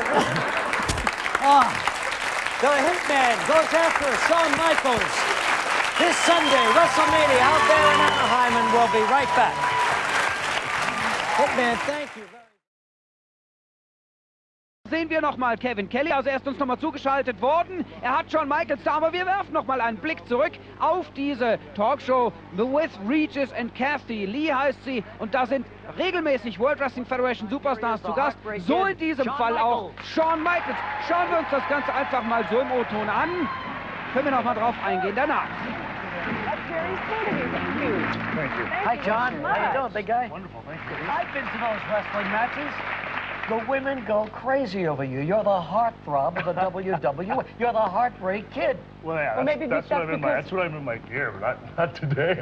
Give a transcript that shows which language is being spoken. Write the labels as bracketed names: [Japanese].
[English] Oh, the Hitman goes after Shawn Michaels this Sunday, WrestleMania, out there in Anaheim, and we'll be right back. Hitman, thank you. [German] Sehen wir nochmal Kevin Kelly. Also er ist uns nochmal zugeschaltet worden. Er hat Shawn Michaels da, aber wir werfen nochmal einen Blick zurück auf diese Talkshow The With Regis and Kathy Lee heißt sie. Und da sind regelmäßig World Wrestling Federation Superstars zu Gast. So in diesem Fall auch Shawn Michaels. Schauen wir uns das Ganze einfach mal so im O-Ton an. Können wir nochmal drauf eingehen danach. [English] Hi John, how you doing, big guy? Wonderful, thank you. I've been to those wrestling matches. The women go crazy over you. You're the heartthrob of the WWE. You're the heartbreak kid. Well, yeah, that's what I'm in my gear, but not today.